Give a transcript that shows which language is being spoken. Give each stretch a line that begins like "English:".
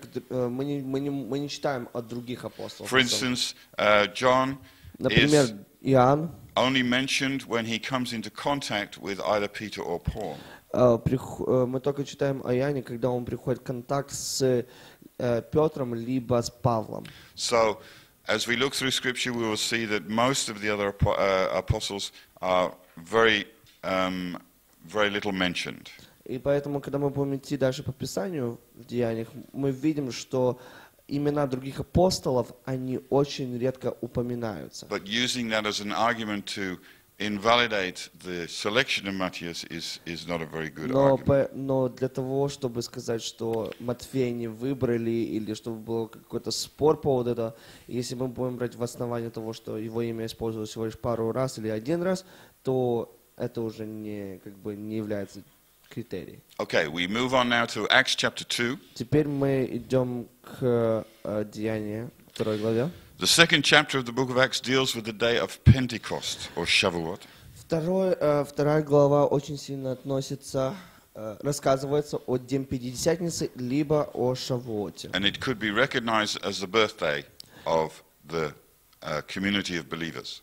Russian: Мы не читаем о других апостолах.
English: For instance, John
Russian: Иоанн
English: only mentioned when he comes into contact with either Peter or Paul.
Russian: Мы только читаем о Иоанне, когда он приходит в контакт с Петром либо с Павлом.
English: So, as we look through Scripture, we will see that most of the other apostles are very, very little mentioned.
Russian: И поэтому, когда мы будем идти дальше по Писанию в Деяниях, мы видим, что имена других апостолов, они очень редко упоминаются.
English: But using that as an argument to invalidate the selection of Matthias is not a very good argument.
Russian: Но для того, чтобы сказать, что Матфея не выбрали, или чтобы был какой-то спор по поводу этого, если мы будем брать в основание того, что его имя использовалось всего лишь пару раз или один раз, то это уже не, как бы, не является критерий.
English: Okay, we move on now to Acts chapter 2.
Russian: Теперь мы идем к Деяниям, второй главе.
English: The second chapter of the book of Acts deals with the day of Pentecost or Shavuot.
Russian: Вторая глава очень сильно относится, рассказывается о день Пятидесятницы либо о Шавуоте.
English: And it could be recognized as the birthday of the community of believers.